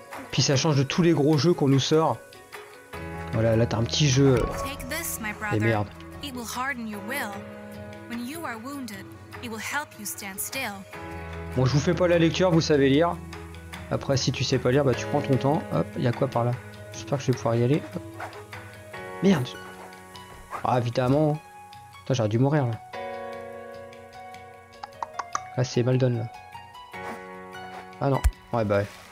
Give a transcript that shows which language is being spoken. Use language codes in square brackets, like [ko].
[fr] Puis ça change de tous les gros jeux qu'on nous sort. Voilà, là t'as un petit jeu. Et merde. [en] It will harden your will. When you are wounded, it will help you stand still. [fr] Bon, je vous fais pas la lecture, vous savez lire. Après, si tu sais pas lire, bah tu prends ton temps. Hop, y'a quoi par là? J'espère que je vais pouvoir y aller. Hop. Merde! Ah, évidemment. Putain, j'aurais dû mourir, là. Là, c'est mal donné, là. Ah, non. Ouais, bah, ouais.